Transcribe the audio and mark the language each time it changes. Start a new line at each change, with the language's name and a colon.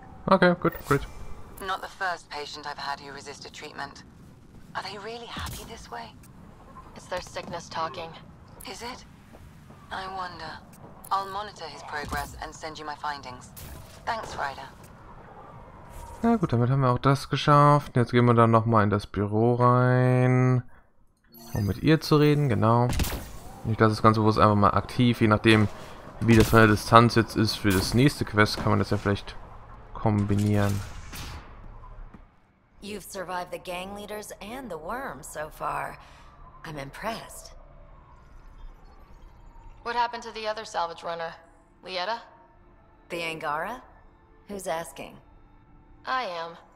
English: Okay, good, great. Not the first patient I've had who resisted treatment. Are they really happy this way? It's their sickness talking. Is it? I wonder. I'll monitor his progress and send you my findings. Thanks, Ryder.
German: Na gut, damit haben wir auch das geschafft. Jetzt gehen wir dann nochmal in das Büro rein. Um mit ihr zu reden, genau. Nicht, dass das Ganze bloß einfach mal aktiv, je nachdem, wie das von der Distanz jetzt ist für das nächste Quest, kann man das ja vielleicht kombinieren.
English: You've survived the gang leaders and the worm so far. I'm impressed. What happened to the other salvage runner? Lieta? The Angara? Who's asking? I am.